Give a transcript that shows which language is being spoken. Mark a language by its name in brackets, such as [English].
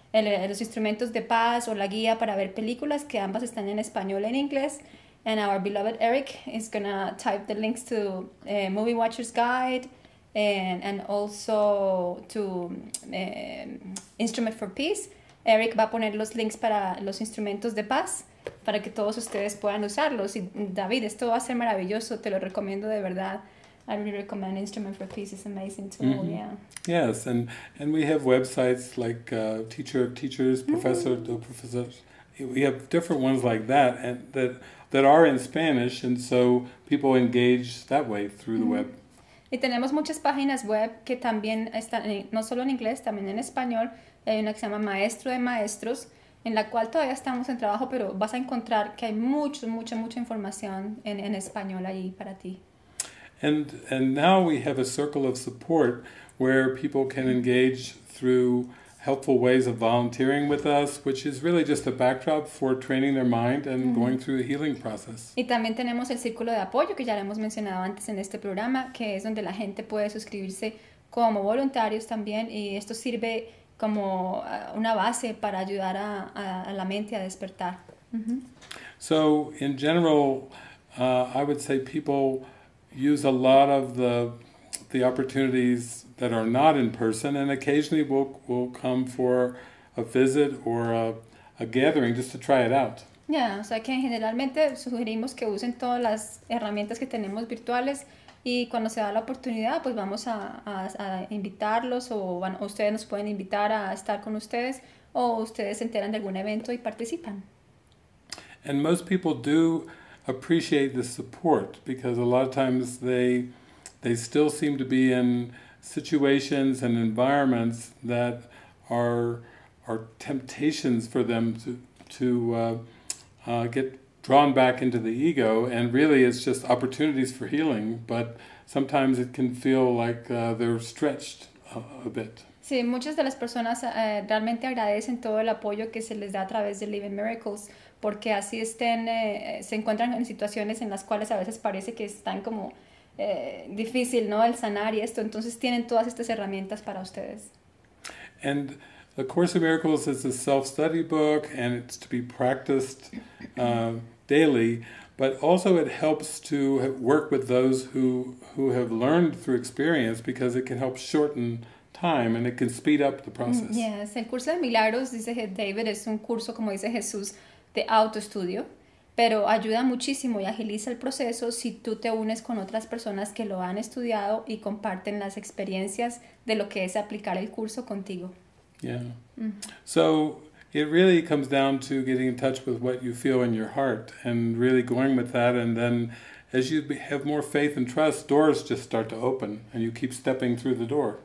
[Spanish] Los instrumentos de paz o la guía para ver películas, que ambas están en español y en inglés, [English] and our beloved Eric is gonna type the links to movie watchers guide and also to instrument for peace. [Spanish] Eric va a poner los links para los instrumentos de paz para que todos ustedes puedan usarlos. Y David, esto va a ser maravilloso, te lo recomiendo de verdad. [English] I really recommend Instrument for Peace, it's an amazing tool. Mm-hmm. Yeah. Yes, and we have websites like Teacher of Teachers, Professor of Professors. We have different ones like that and that are in Spanish, and so people engage that way through the web. [Spanish] Y tenemos muchas páginas web que también están no solo en inglés, también en español. Hay una que se llama Maestro de Maestros, en la cual todavía estamos en trabajo, pero vas a encontrar que hay mucha información en español ahí para ti. [English] And now we have a circle of support where people can engage through helpful ways of volunteering with us, which is really just a backdrop for training their mind and mm-hmm. going through the healing process. [Spanish] Y también tenemos el círculo de apoyo que ya lo hemos mencionado antes en este programa, que es donde la gente puede suscribirse como voluntarios también, y esto sirve como una base para ayudar a la mente a despertar. Mm-hmm. [English] So, in general, I would say people use a lot of the opportunities that are not in person, and occasionally we'll come for a visit or a gathering just to try it out. [Spanish] Yeah, o sea que generalmente sugerimos que usen todas las herramientas que tenemos virtuales, y cuando se da la oportunidad, pues vamos a invitarlos, o bueno, ustedes nos pueden invitar a estar con ustedes, o ustedes se enteran de algún evento y participan. [English] And most people do appreciate the support, because a lot of times they still seem to be in situations and environments that are temptations for them to get drawn back into the ego, and really it's just opportunities for healing, but sometimes it can feel like they're stretched a bit. [Spanish] Sí, muchas de las personas realmente agradecen todo el apoyo que se les da a través de Living Miracles, porque así estén, se encuentran en situaciones en las cuales a veces parece que están como difícil, ¿no? El sanar y esto. Entonces tienen todas estas herramientas para ustedes. [English] And A Course in Miracles is a self-study book, and it's to be practiced daily, but also it helps to work with those who have learned through experience, because it can help shorten time and it can speed up the process. [Spanish] Yes, el curso de milagros, dice David, es un curso, como dice Jesús, de autoestudio, pero ayuda muchísimo y agiliza el proceso si tú te unes con otras personas que lo han estudiado y comparten las experiencias de lo que es aplicar el curso contigo. Yeah. Mm-hmm. [English] So it really comes down to getting in touch with what you feel in your heart and really going with that, and then as you have more faith and trust, doors just start to open and you keep stepping through the door.